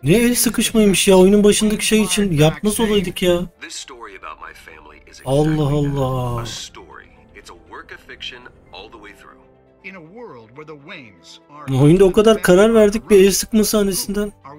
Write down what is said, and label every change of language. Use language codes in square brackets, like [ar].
[tr] Ne el sıkışmaymış ya, oyunun başındaki şey için yapmaz olaydık ya. [en] This story about my family is [tr] Allah Allah. [en] A story. It's a work of fiction all the way through. In a world where the Waynes are. [tr] Oyunda o kadar karar verdik bir el sıkma sahnesinden.